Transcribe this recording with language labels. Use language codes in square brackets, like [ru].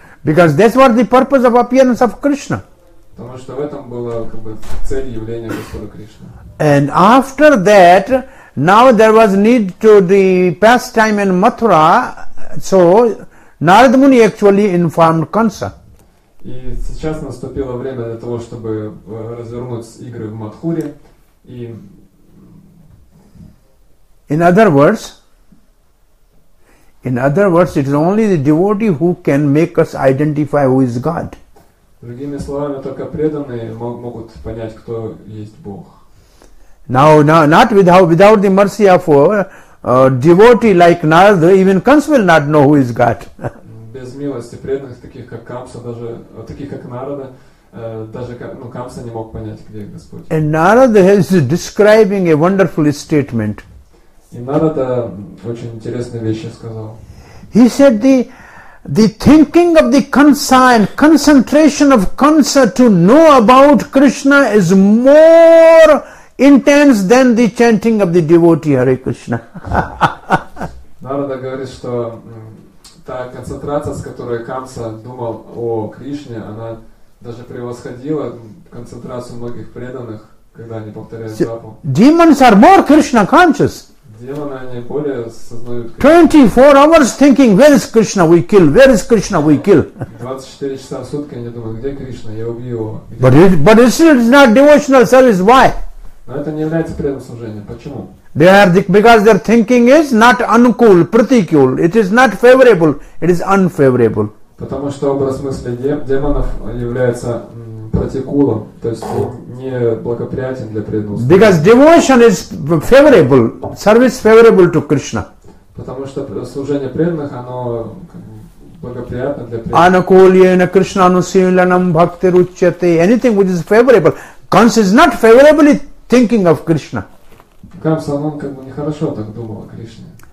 [en] Because that's what the purpose of appearance of Krishna. [ru] Потому что в этом было как бы цель явления Господа Кришны. [en] And after that, now there was need to the pastime in Mathura, so Narada Muni actually informed Kansa. [ru] И сейчас наступило время для того, чтобы развернуть игры в Матхуре. И [en] In other words, it is only the devotee who can make us identify who is God. [ru] Другими словами, только преданные могут понять, кто есть Бог. [en] Now, not without the mercy of a devotee like Narada, even Kansa will not know who is God. [ru] без милости преданных, таких как Камса, даже таких как Нарада, даже ну, Камса не мог понять, где Господь. [en] And Narada is describing a wonderful statement. [ru] И Нарада очень интересные вещи сказал. [en] He said the thinking of the concentration of Kamsa to know about Krishna is more intense than the chanting of the devotee Hare Krishna. [ru] Нарада говорит, что та концентрация, с которой Камса думал о Кришне, она даже превосходила концентрацию многих преданных, когда они повторяют джапу. [en] Demons are more Krishna conscious. [ru] Демоны, они более сознают Кришну. [en] 24 hours thinking, where is Krishna, we kill, where is Krishna, we kill. [ru] 24 часа в сутки они думают, где Кришна, я убью его. [en] But it is not devotional service, why? [ru] Но это не является преданным служением, почему? [en] Because their thinking is not uncool, pratikul. It is not favorable. It is unfavorable. [ru] Потому что образ мысли демонов является пратикулом, то есть не благоприятен для преданного. [en] Because devotion is favorable, service favorable to Krishna. [ru] Потому что служение преданных оно благоприятно для преданных. [sa] Anukulyena Krishna anusilanam bhaktir uchyate. [en] Anything which is favorable, Kamsa is not favorably thinking of Krishna. [ru] Камса, он как бы нехорошо так думал о Кришне.